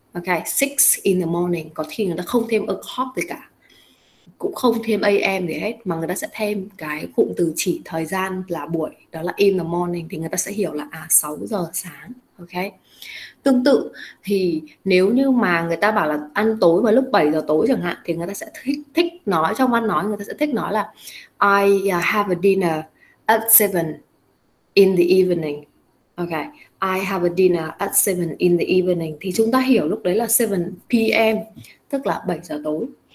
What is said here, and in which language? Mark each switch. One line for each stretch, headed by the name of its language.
Vietnamese: Ok, 6
English: in the morning.
Vietnamese: Có khi người ta không thêm o'clock gì cả, cũng không thêm am gì hết, mà người ta sẽ thêm cái cụm từ chỉ thời gian là buổi, đó là in the morning, thì người ta sẽ hiểu là 6 giờ sáng. Ok, tương tự thì nếu như mà người ta bảo là ăn tối vào lúc 7 giờ tối chẳng hạn, thì người ta sẽ thích thích nói trong văn nói, người ta sẽ thích nói là
English: I have a dinner at 7 in the evening. Ok, I have a dinner at 7 in the evening.
Vietnamese: Thì chúng ta hiểu lúc đấy là 7 p.m., tức là 7 giờ tối.